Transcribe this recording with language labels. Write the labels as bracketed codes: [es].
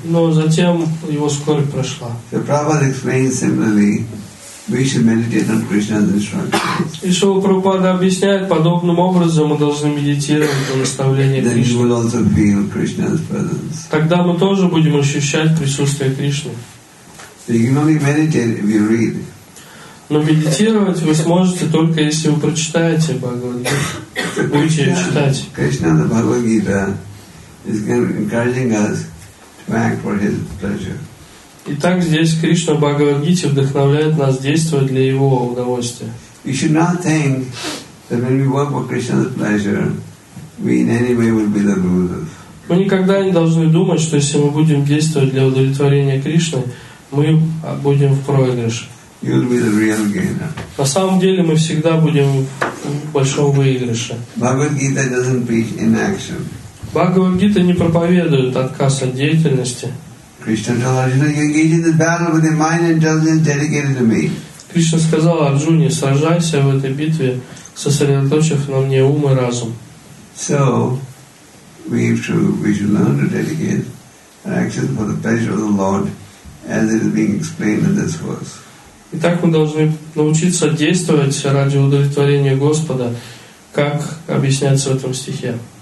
[ru] Но затем его скорбь прошла. [en] So Prabhupada explains similarly, we should meditate on Krishna's instructions. [ru] И Шрила Прабхупада объясняет, подобным образом мы должны медитировать на наставление Кришны. [en] Then we will also feel Krishna's presence. [ru] Тогда мы тоже будем ощущать присутствие Кришны. [en] You can only meditate if you read. [ru] Но медитировать вы сможете только если вы прочитаете Бхагавад-гиту, будете ее читать. [en] Кришна на Бхагавад-гита is encouraging us to act for His pleasure. [ru] Итак, здесь Кришна Бхагавад-гите вдохновляет нас действовать для Его удовольствия. [en] We should not think that when we work for Krishna's pleasure, we in any way will be the losers. [ru] Мы никогда не должны думать, что если мы будем действовать для удовлетворения Кришны, мы будем в проигрыше. [en] You'll be the real gainer. [ru] На самом деле мы всегда будем в большом выигрыше. [en] Bhagavad Gita doesn't preach inaction. [ru] Bhagavad Gita не проповедует отказ от деятельности. [en] Krishna told Arjuna, you engage in the battle with your mind and intelligence dedicated to me. [ru] Кришна сказал Арджуне, сражайся в этой битве, сосредоточив на мне ум и разум. [en] So we should learn to dedicate our actions for the pleasure of the Lord, as it is being explained in this verse. [ru] Итак, мы должны научиться действовать ради удовлетворения Господа, как объясняется в этом стихе.